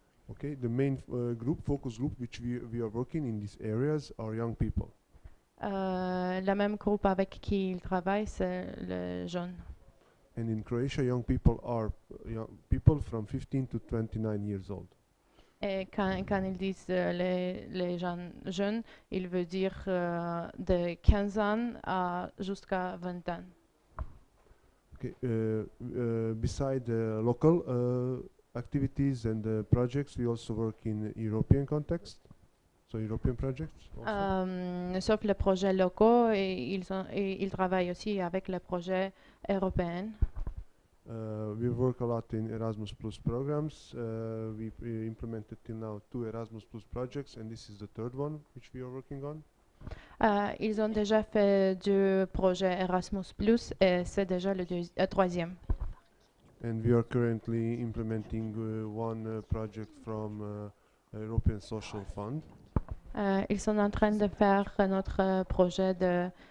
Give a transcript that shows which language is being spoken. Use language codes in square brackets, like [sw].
[en] Okay, the main focus group which we are working in these areas are young people. [fr] La même groupe avec qui il travaille, c'est le jeune. [en] And in Croatia, young people are young people from 15 to 29 years old. [fr] Et quand ils disent les jeunes, il veut dire de 15 ans à jusqu'à 20 ans. [en] Okay, beside the local activities and projects, we also work in European context, so European projects. [fr] Sauf les projets locaux, ils travaillent aussi avec les projets européens. [en] We work a lot in Erasmus Plus programs. We implemented till now 2 Erasmus Plus projects, and this is the third one which we are working on. [fr] Ils ont déjà fait 2 projets Erasmus Plus, et c'est déjà le troisième. [en] And we are currently implementing one project from European Social Fund. [fr] Ils sont en train de faire notre projet de